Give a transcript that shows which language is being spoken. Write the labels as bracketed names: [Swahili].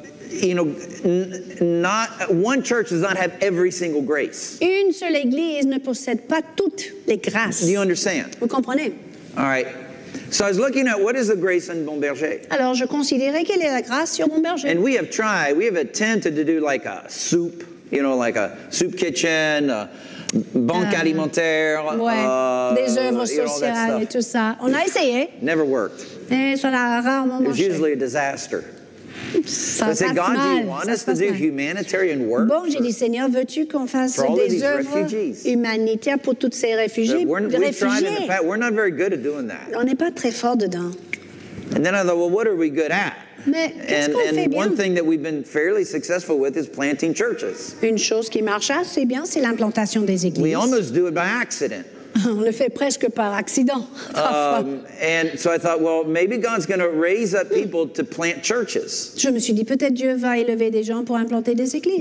[English] You know, not one church does not have every single grace. [French] Une seule église ne possède pas toutes les grâces. [English] Do you understand? [French] Vous comprenez? [English] All right. So I was looking at what is the grace in Bon Berger. [French] Alors je considérais quelle est la grâce sur Bon Berger. [English] And we have attempted to do like a soup, you know, like a soup kitchen, a [French] banque alimentaire, des œuvres sociales, [English] you know, [French] et tout ça. On a essayé. [English] Never worked. [French] Et ça a rarement marché. [English] It was usually a disaster. [French] Ça [English] I said, God, [French] mal. [English] Do you want [French] ça [English] us to do [French] mal. [English] Humanitarian work? [French] Bon, j'ai dit, Seigneur, veux-tu qu'on fasse des œuvres humanitaires pour toutes ces réfugiés? [English] We're not very good at doing that. [French] On n'est pas très fort dedans. [English] And then I thought, well, what are we good at? [French] Mais [English] and [French] fait bien? [English] One thing that we've been fairly successful with is planting churches. [French] Une chose qui marche assez bien, c'est l'implantation des églises. [English] We almost do it by accident. [French] On le fait presque par accident. [English] And so I thought, well, maybe God's going to raise up people to plant churches. [French] Je me suis dit, peut-être Dieu va élever des gens pour implanter des églises.